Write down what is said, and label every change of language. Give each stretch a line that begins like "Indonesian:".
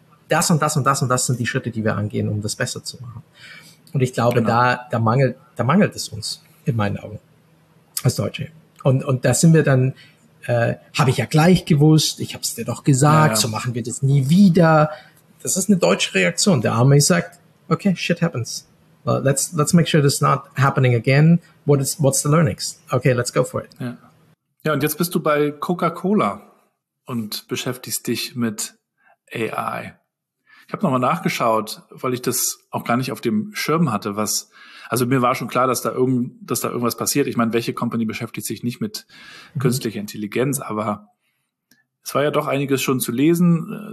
German: Das und das und das und das sind die Schritte, die wir angehen, um das besser zu machen. Und ich glaube, da mangelt es uns in meinen Augen als Deutsche. Und da sind wir dann habe ich ja gleich gewusst, ich habe es dir doch gesagt, so machen wir das nie wieder. Das ist eine deutsche Reaktion. Der Army sagt,
English: okay, shit happens. Well, let's make sure this is not happening again. What's the learnings? Okay, let's go for it.
German: Ja, und jetzt bist du bei Coca-Cola. und beschäftigst dich mit AI. Ich habe nochmal nachgeschaut, weil ich das auch gar nicht auf dem Schirm hatte, was, also mir war schon klar, dass da irgendwas passiert. Ich meine, welche Company beschäftigt sich nicht mit künstlicher Intelligenz, aber es war ja doch einiges schon zu lesen.